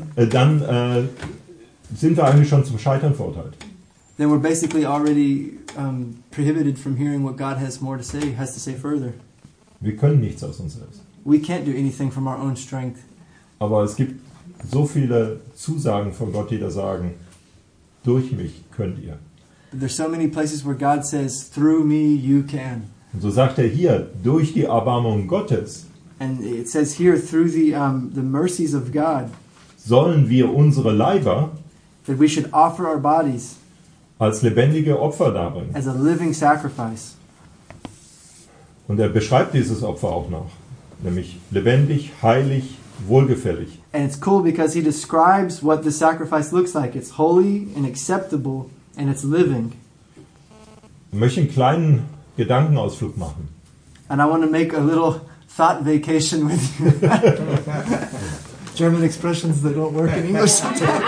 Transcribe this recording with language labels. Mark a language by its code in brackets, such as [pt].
[de] Dann sind wir eigentlich schon zum Scheitern verurteilt. [en] Then we're basically already prohibited from hearing what God has to say further. [de] Wir können nichts aus uns selbst. [en] We can't do anything from our own strength. [de] Aber es gibt so viele Zusagen von Gott, die da sagen, durch mich könnt ihr. [en] But there's so many places where God says, through me you can. [de] Und so sagt er hier, durch die Erbarmung Gottes. [en] And it says here, through the mercies of God. [de] Sollen wir unsere Leiber, [en] that we should offer our bodies, [de] als lebendige Opfer darbringen. [en] As a living sacrifice. [de] Und er beschreibt dieses Opfer auch noch, nämlich lebendig, heilig, wohlgefällig. [en] And it's cool because he describes what the sacrifice looks like. It's holy and acceptable and it's living. [de] Ich möchte einen kleinen Gedankenausflug machen. [en] And I want to make a little thought vacation with you. German expressions that don't work in English sometimes.